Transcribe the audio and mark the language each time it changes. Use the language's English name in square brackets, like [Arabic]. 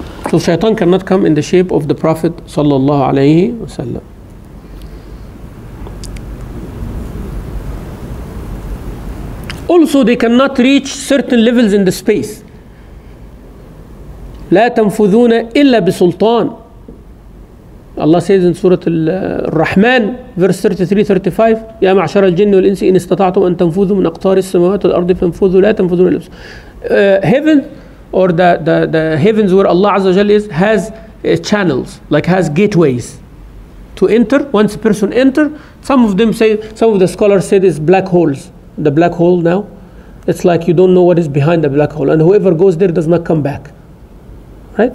[English] So shaitan cannot come in the shape of the Prophet sallallahu alayhi wasallam. Also, they cannot reach certain levels in the space. [Arabic] لا تنفذون إلا بسلطان. [English] Allah says in Surah Al-Rahman, verse 33-35, [Arabic] يَا مَعْشَرَ الْجِنِّ وَالْإِنسِ إِنِ اسْتَطَعْتُمْ أَن تَنْفُذُوا مِنْ أَقْطَارِ السَّمَوَاتِ وَالْأَرْضِ فَانْفُذُوا لَا تَنْفُذُوا إِلَّا بِسُلْطَانٍ. [English] Heaven, or the heavens where Allah Azza wa Jalla is, has channels, like has gateways to enter. Once a person enter, some of the scholars said it's black holes. The black hole now, it's like you don't know what is behind the black hole, and whoever goes there does not come back. Right?